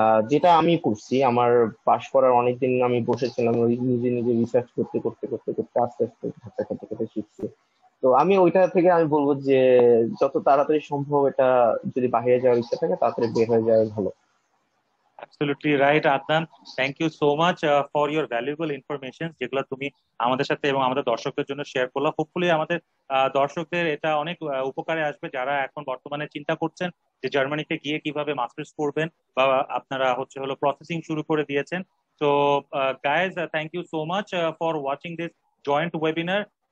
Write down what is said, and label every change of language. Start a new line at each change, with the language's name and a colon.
Bangla: যেটা আমি করছি, আমার পাশ করার অনেকদিন আমি বসেছিলাম নিজে নিজে রিসার্চ করতে করতে করতে করতে আস্তে আস্তে খাতে খাতে খাতে শিখছি। তো আমি ওইটা থেকে আমি বলবো যে যত তাড়াতাড়ি সম্ভব এটা যদি বাহিরে যাওয়ার ইচ্ছা থাকে তাড়াতাড়ি বের হয়ে যাওয়া ভালো।
English: Absolutely right, Adnan. Thank you so much for your valuable information.
Bangla: যেগুলো তুমি আমাদের সাথে এবং আমাদের দর্শকদের জন্য শেয়ার করলে, হোপফুলি আমাদের দর্শকদের এটা অনেক উপকারে আসবে, যারা এখন বর্তমানে চিন্তা করছেন যে জার্মানিতে গিয়ে কিভাবে মাস্টার্স করবেন বা আপনারা হচ্ছে হলো প্রসেসিং শুরু করে দিয়েছেন।
English: তো guys, thank you so much for watching this joint webinar.